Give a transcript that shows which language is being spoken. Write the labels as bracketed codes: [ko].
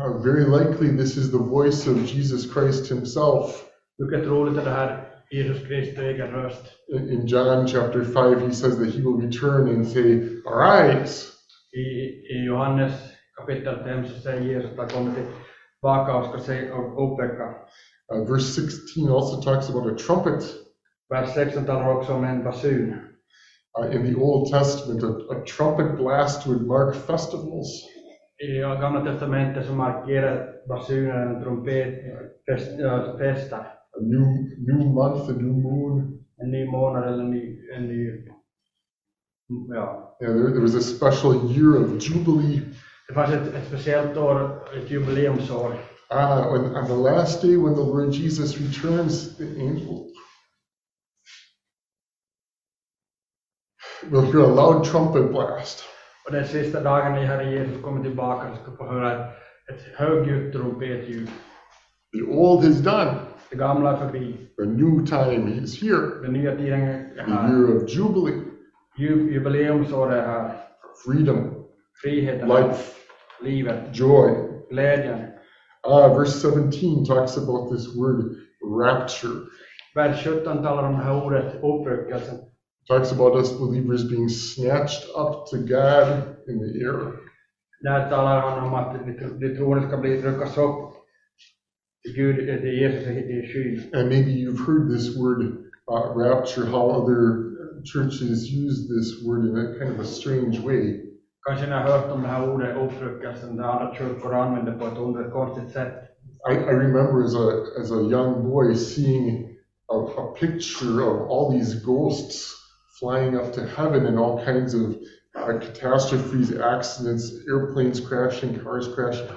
[en] Very likely this is the voice of Jesus Christ himself. [sv] Mycket troligt att det här Jesus Kristus egen röst. [en] In John chapter 5 he says that he will return and say, arise. [sv] I Johannes kapitel 5 så säger Jesus att han kommer tillbaka och ska säga uppväcka. [en] Verse 16 also talks about a trumpet. [sv] Vers 16 talar också om en basun. [en] In the Old Testament a trumpet blast would mark festivals. [sv] I Gamla testamentet så markerar basunen en trumpet festa. [en] A new month, a new moon. [sv] En ny månad eller en ny [en] And there was a special year of jubilee. [sv] Det fanns ett speciellt år, ett jubileumsår. [en] On the last day when the Lord Jesus returns, the angel will hear a loud trumpet blast. [sv] Och den sista dagen när Herren Jesus kommer tillbaka, ska få höra ett högljutt trumpetljud. [en] The old is done. [sv] Det gamla är förbi. [en] The new time is here. [sv] Den nya tiden är här. [en] The year of jubilee. [sv] Jubileumsår är här. [en] Freedom. [sv] Friheten. [en] Life. [sv] Livet. [en] Joy. [sv] Glädjen. [en] Verse 17 talks about this word rapture. [sv] Vers 17 talar om det här ordet uppryckelse. [en] Talks about us believers being snatched up to God in the air. [sv] Där talar han om att de troende ska bli ryckas upp till Gud, till Jesus i skyn. [en] And maybe you've heard this word rapture, how other churches use this word in a kind of a strange way. [sv] Kanske ni har hört om det här ordet uppryckelsen, det andra kyrkor använder på ett underkortigt sätt. [en] I remember as a young boy seeing a picture of all these ghosts flying up to heaven and all kinds of catastrophes, accidents, airplanes crashing, cars crashing.